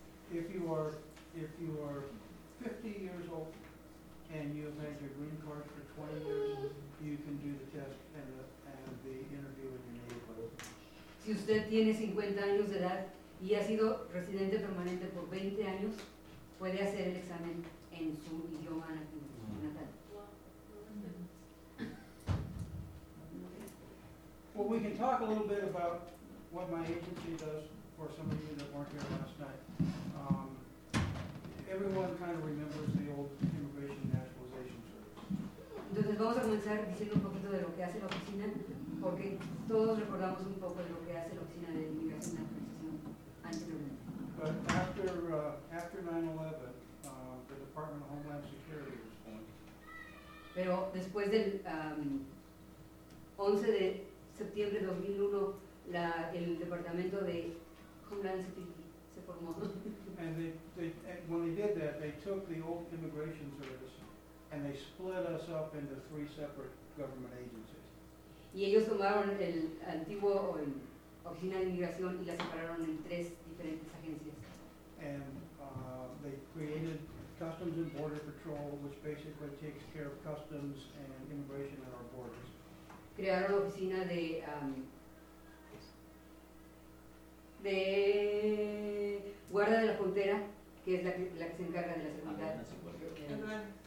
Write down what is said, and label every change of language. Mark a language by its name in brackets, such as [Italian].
[English] If you are fifty years old and you have had your green card for 20 years, you can do the test and the interview with your neighbor. [Spanish] Si usted tiene 50 años de edad y ha sido residente permanente por 20 años, puede hacer el examen en su idioma natal. Mm-hmm. [English] Well, we can talk a little bit about what my agency does for some of you that weren't here last night. Everyone kind of remembers the old Immigration Naturalization Service. [Spanish] Entonces vamos a comenzar diciendo un poquito de lo que hace la oficina. Porque todos recordamos un poco de lo que hace la oficina de inmigración y naturalización anteriormente. [English] But after 9/11, the Department of Homeland Security was formed. [Spanish] Pero después del 11 de septiembre de 2001, el Departamento de Homeland Security se formó. [English] And when they did that, they took the old Immigration Service and they split us up into three separate government agencies. [Spanish] Y ellos tomaron el antiguo oficina de inmigración y la separaron en tres diferentes agencias. [English] And they created Customs and Border Patrol, which basically takes care of customs and immigration at our borders. [Spanish] Crearon oficina de de guarda de la frontera, que es la que se encarga de la seguridad.